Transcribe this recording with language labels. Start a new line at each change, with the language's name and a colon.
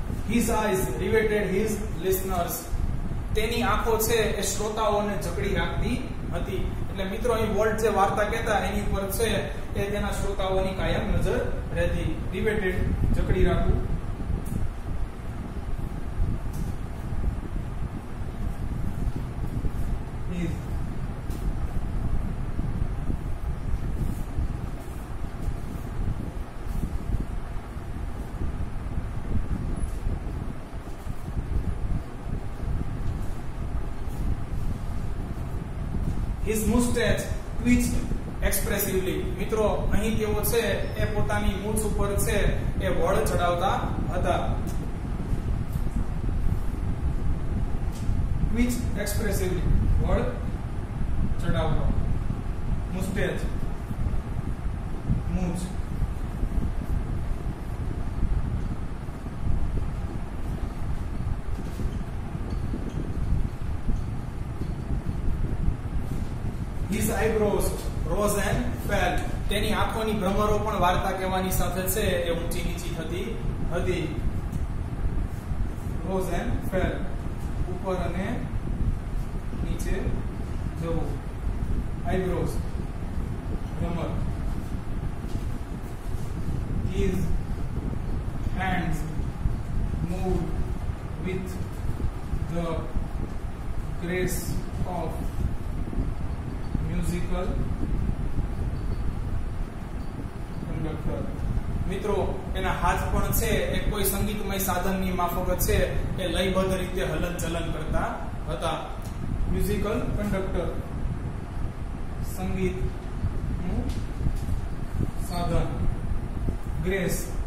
English: His eyes riveted his listeners.
Gujarati: તેની આંખો છે એ શ્રોતાઓને જકડી રાખતી હતી. એટલે મિત્રો અહીં વોલ્ટ જે વાર્તા કહેતા એની ઉપર છે એ તેના શ્રોતાઓની કાયમ નજર રહેતી. Riveted જકડી રાખવું.
English: His mustache twitched expressively.
Gujarati: Mitro, અહીં કેવો છે એ પોતાની મૂછ ઉપર છે એ વળ ચડાવતા હતા.
English: Twitched expressively.
Gujarati: વળ ચડાવતો. Mustache. મૂછ.
English: His eyebrows rose and fell.
Gujarati: તેની આંખોની ભ્રમરો પણ વાર્તા કહેવાની સાથે છે એ ઊંચી નીચી થતી હતી.
English: Rose and fell.
Gujarati: ઉપર અને નીચે જવું. Eyebrows. ભ્રમર.
English: His hands moved with the grace of musical conductor.
Gujarati: મિત્રો એના હાથ પણ છે એ કોઈ સંગીતમય સાધનની માફક છે એ લયબદ્ધ રીતે હલનચલન કરતા હતા.
English: Musical conductor.
Gujarati: સંગીતનું સાધન.
English: Grace.